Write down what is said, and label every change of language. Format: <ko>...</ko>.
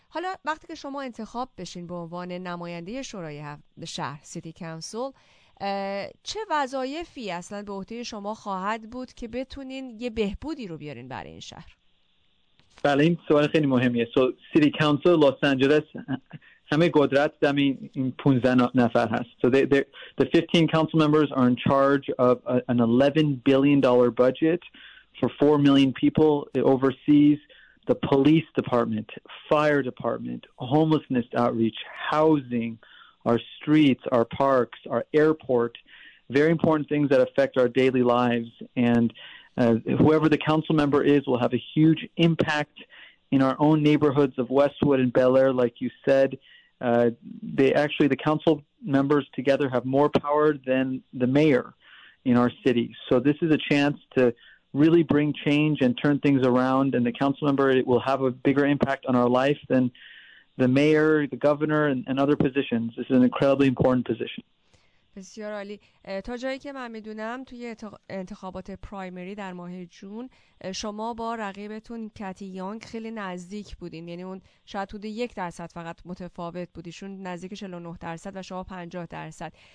<fa>حالا وقتی که شما انتخاب بشین به عنوان نماینده شورای شهر سیتی کانسل، چه وظایفی اصلا به عهده شما خواهد بود که بتونین یه بهبودی رو بیارین برای این شهر؟ بله، این سوال خیلی مهمیه.</fa> <en>So City Council Los Angeles</en> <fa>همه قدرت دم این 15 نفر هست.</fa> <en>So the 15 council members are in charge of an $11 billion budget for 4 million people. It oversees the police department, fire department, homelessness outreach, housing, our streets, our parks, our airport, very important things that affect our daily lives. And Whoever the council member is will have a huge impact in our own neighborhoods of Westwood and Bel Air, like you said. The council members together have more power than the mayor in our city. So this is a chance to really bring change and turn things around, and the council member, it will have a bigger impact on our life than the mayor, the governor, and other positions. This is an incredibly important position.</en> <fa>بسیار عالی. تا جایی که من میدونم توی انتخابات پرایمری در ماه جون شما با رقیبتون کتی یانگ خیلی نزدیک بودین، یعنی اون شاید حدود 1% فقط متفاوت بود، ایشون نزدیک 49% و شما 50%.</fa>